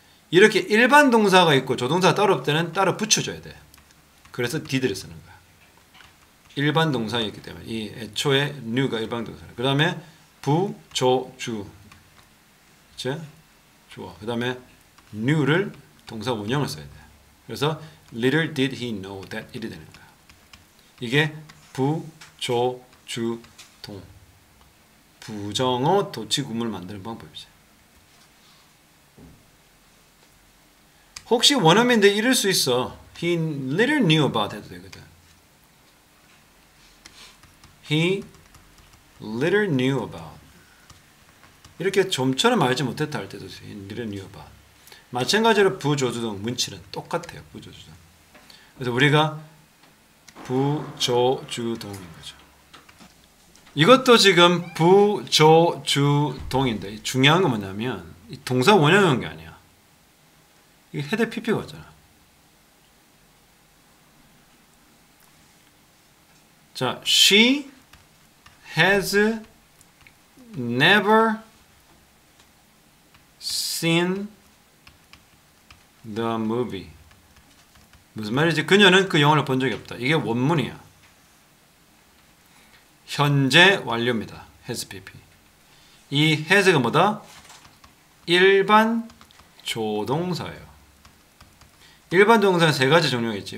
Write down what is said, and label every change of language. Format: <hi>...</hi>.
<ko>이렇게 일반 동사가 있고 조동사가 따로 없을 때는 따로 붙여줘야 돼. 그래서 did를 쓰는 거야. 일반 동사였기 때문에 이 애초에 new가 일반 동사래. 그 다음에 부, 조, 주, 그치? 좋아. 그 다음에 new를 동사 원형을 써야 돼. 그래서</ko> <en>little did he know that</en> <ko>이리 되는 거야. 이게 부, 조, 주, 동 부정어 도치구문을 만드는 방법이지. 혹시 원어민인데 이럴 수 있어.</ko> <en>He little knew about</en> <ko>해도 되거든.</ko> <en>He little knew about.</en> <ko>이렇게 좀처럼 알지 못했다 할 때도 있어요.</ko> <en>He little knew about.</en> <ko>마찬가지로 부조주동 문치는 똑같아요. 부조주동. 그래서 우리가 부조주동인 거죠. 이것도 지금 부조주동인데 중요한 건 뭐냐면 동사 원형인 게 아니야. 이게 헤드 PP가 있잖아. 자,</ko> <en>she has never seen the movie.</en> <ko>무슨 말이지? 그녀는 그 영화를 본 적이 없다. 이게 원문이야. 현재 완료입니다. has pp. 이 has가 뭐다? 일반 조동사예요. 일반 조동사는 세 가지 종류가 있지.</ko>